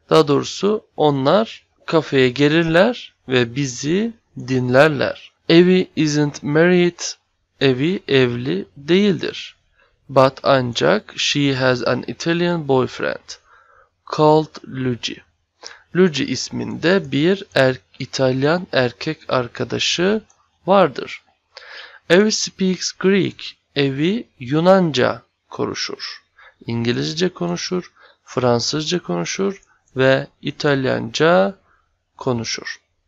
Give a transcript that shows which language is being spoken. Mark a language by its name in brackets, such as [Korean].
[Turkish] Daha doğrusu onlar kafeye gelirler ve bizi dinlerler. [English] Evie isn't married. [Turkish] Evie evli değildir. [English] But ancak she has an Italian boyfriend called Luigi. [Turkish] Luigi isminde bir İtalyan erkek arkadaşı vardır. [English] Evie speaks Greek. [Turkish] Evie Yunanca konuşur. İngilizce konuşur, Fransızca konuşur ve İtalyanca konuşur.